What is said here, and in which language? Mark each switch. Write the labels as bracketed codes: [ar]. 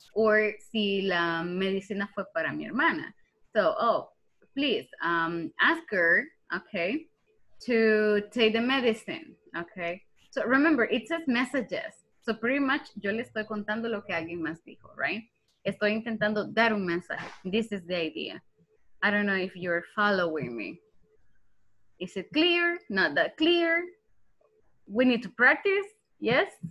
[es] Or si la medicina fue para mi hermana. [en] So, please ask her, okay, to take the medicine, okay? So remember, it says messages. So pretty much [es] yo le estoy contando lo que alguien más dijo, right? Estoy intentando dar un mensaje. [en] This is the idea. I don't know if you're following me. Is it clear? Not that clear. We need to practice, yes?